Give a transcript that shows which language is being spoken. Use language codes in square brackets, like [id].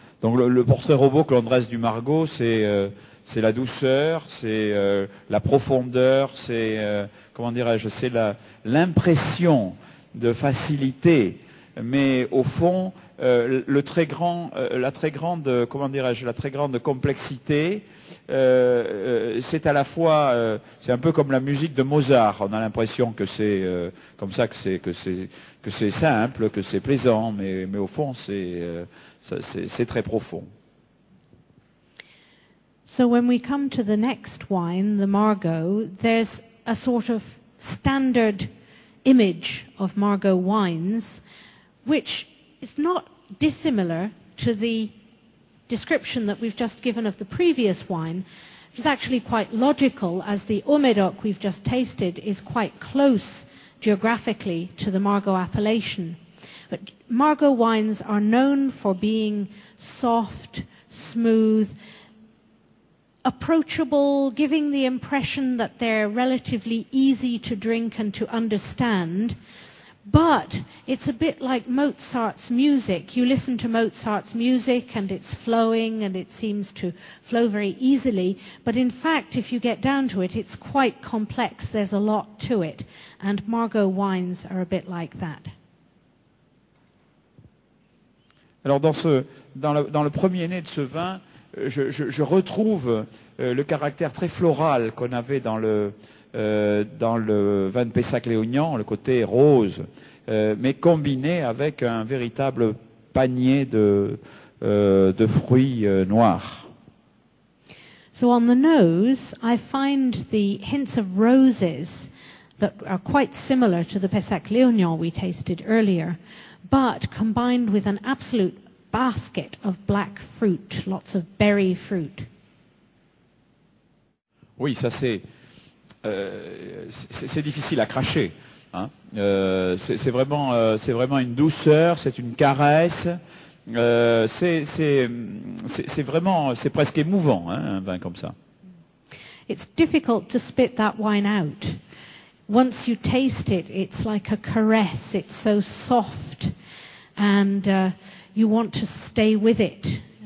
[fr] Donc le portrait robot que l'on dresse du Margaux, c'est la douceur, c'est la profondeur, c'est comment dirais-je, c'est l'impression de facilité, mais au fond la très grande complexité, c'est à la fois c'est un peu comme la musique de Mozart. On a l'impression que c'est comme ça, que c'est simple, que c'est plaisant, mais au fond c'est très profond. [en] So when we come to the next wine, the Margaux, there's a sort of standard image of Margaux wines, which is not dissimilar to the description that we've just given of the previous wine. It's actually quite logical, as the Haut Médoc we've just tasted is quite close geographically to the Margaux appellation. But Margaux wines are known for being soft, smooth, approachable, giving the impression that they're relatively easy to drink and to understand. But it's a bit like Mozart's music. You listen to Mozart's music and it's flowing and it seems to flow very easily. But in fact, if you get down to it, it's quite complex. There's a lot to it. And Margaux wines are a bit like that. [fr] Alors dans le premier nez de ce vin, je retrouve le caractère très floral qu'on avait dans le vin de Pessac-Léognan, le côté rose, mais combiné avec un véritable panier de fruits noirs. [en] So on the nose, I find the hints of roses that are quite similar to the Pessac-Léognan we tasted earlier, but combined with an absolute basket of black fruit, lots of berry fruit. [fr] Oui, ça c'est difficile à cracher. Hein. C'est vraiment une douceur, c'est une caresse. C'est presque émouvant, hein, un vin comme ça. [en] It's difficult to spit that wine out. Once you taste it, it's like a caress. It's so soft and you want to stay with it.